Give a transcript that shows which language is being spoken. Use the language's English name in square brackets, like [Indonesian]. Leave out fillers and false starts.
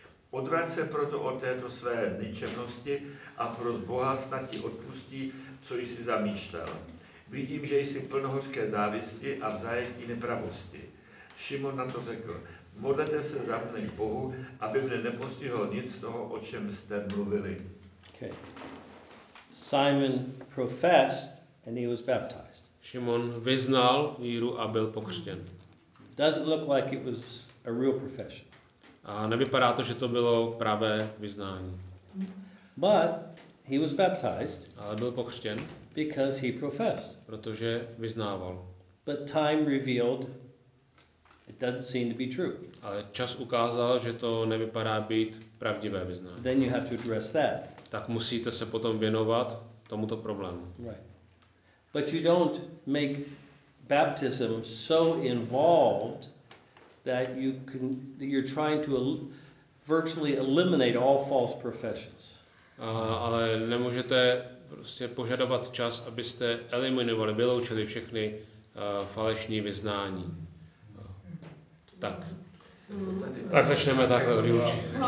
[Czech] Odvrať se proto od této své ničemnosti a pros Boha snad ti odpustí, co jsi zamýšlel. Vidím, že jsi plnohořské závisti a v zajetí nepravosti. Šimon na to řekl, modlete se za mne k Bohu, aby mne nepostihlo nic z toho, o čem jste mluvili. [English] Okay. Simon professed and he was baptized. [Czech] Šimon vyznal víru a byl pokřtěn. [English] Does it look like it was a real profession? [Czech] A nevypadá to, že to bylo pravé vyznání. [English] But he was baptized. [Czech] Ale byl pokřtěn. [English] Because he professed. [Czech] Protože vyznával. [English] But time revealed it doesn't seem to be true. [Czech] Ale čas ukázal, že to nevypadá být pravdivé vyznání. [English] Then you have to address that. [Czech] Tak musíte se potom věnovat tomuto problému. [English] Right. But you don't make baptism so involved that you can you're trying to virtually eliminate all false professions. [Czech] Ale nemůžete prostě požadovat čas, abyste eliminovali, vyloučili všechny falešní vyznání. Tak. Tak začneme takhle vyučit.